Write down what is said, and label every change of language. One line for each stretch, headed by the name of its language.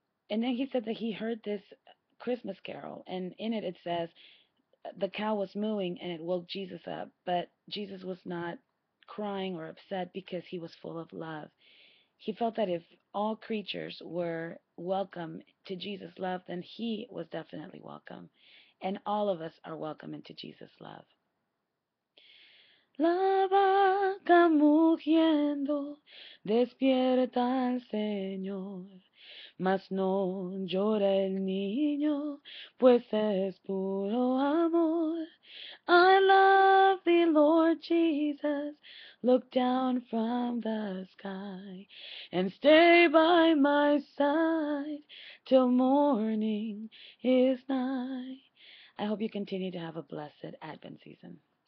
English: And then he said that he heard this Christmas carol, and in it says the cow was mooing and it woke Jesus up, but Jesus was not crying or upset because he was full of love. He felt that if all creatures were welcome to Jesus' love, then he was definitely welcome, and all of us are welcome into Jesus' love.
Spanish: La vaca mugiendo, despierta al Señor. Mas no llora el niño, pues es puro amor.
English: I love thee, Lord Jesus. Look down from the sky and stay by my side till morning is nigh. I hope you continue to have a blessed Advent season.